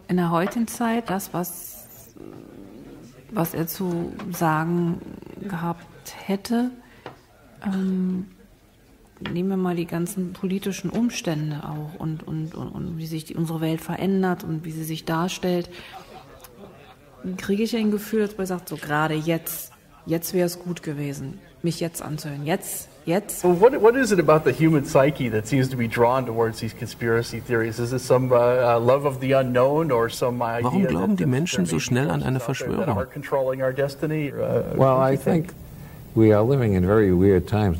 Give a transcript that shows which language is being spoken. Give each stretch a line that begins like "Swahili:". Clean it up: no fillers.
German: In der heutigen Zeit, das, was er zu sagen gehabt hätte, nehmen wir mal die ganzen politischen Umstände auch und wie sich unsere Welt verändert und wie sie sich darstellt, kriege ich ein Gefühl, dass man sagt, so gerade jetzt wäre es gut gewesen, mich jetzt anzuhören, jetzt.
English: Well, what is it about the human psyche that seems to be drawn towards these conspiracy theories? Is it some love of the unknown or some idea?
German: Warum glauben die Menschen so schnell an eine Verschwörung?
English: Are controlling our destiny? Well, I think we are living in very weird times.